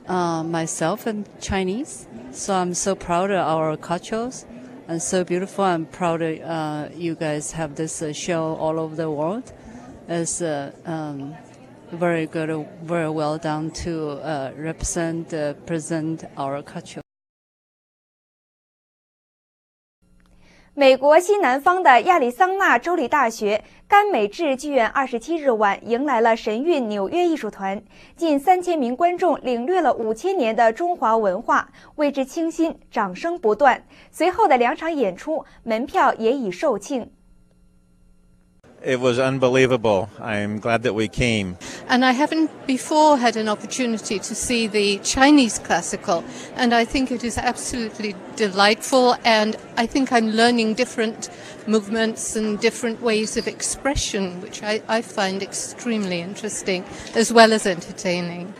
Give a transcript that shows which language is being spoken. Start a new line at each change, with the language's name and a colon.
English: Myself and Chinese, so I'm so proud of our cultures and so beautiful. I'm proud of, you guys have this show all over the world. It's very good, very well done to represent, present our culture.
Chinese: 美国西南方的亚利桑那州立大学甘美治剧院27日晚迎来了神韵纽约艺术团，近3000名观众领略了5000年的中华文化，为之倾心，掌声不断。随后的两场演出门票也已售罄。
English: It was unbelievable. I'm glad that we came. And I haven't before had an opportunity to see the Chinese classical, and I think it is absolutely delightful, and I think I'm learning different movements and different ways of expression, which I find extremely interesting, as well as entertaining.